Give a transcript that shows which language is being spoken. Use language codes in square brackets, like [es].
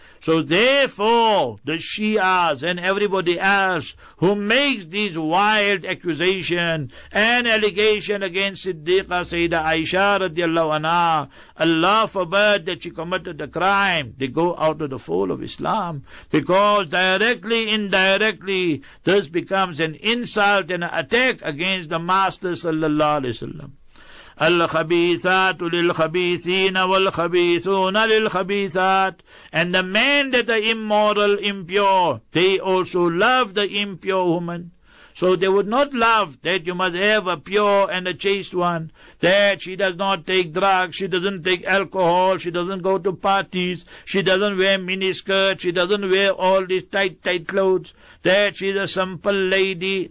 [en] So therefore, the Shias and everybody else who makes these wild accusation and allegation against Siddiqah Sayyida Aisha radiallahu anha, Allah forbid that she committed the crime, they go out of the fold of Islam. Because directly, indirectly, this becomes an insult and an attack against the Master sallallahu alayhi wa sallam. [ar] الخبيثات للخبيثين والخبيثون للخبيثات. [en] And the men that are immoral, impure, they also love the impure woman. So they would not love that you must have a pure and a chaste one, that she does not take drugs, she doesn't take alcohol, she doesn't go to parties, she doesn't wear miniskirts, she doesn't wear all these tight, tight clothes, that she's a simple lady.